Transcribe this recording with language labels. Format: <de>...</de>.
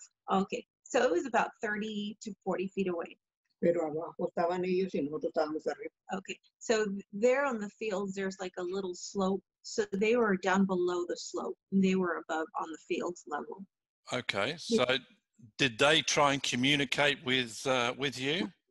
<en>Okay, so it was about 30 to 40 feet away.</en> <es>Pero abajo estaban ellos y nosotros estábamos arriba.</es> <en>Okay, so there on the fields, there's like a little slope. So they were down below the slope. And they were above on the field level. Okay, so did they try and communicate with you?</en>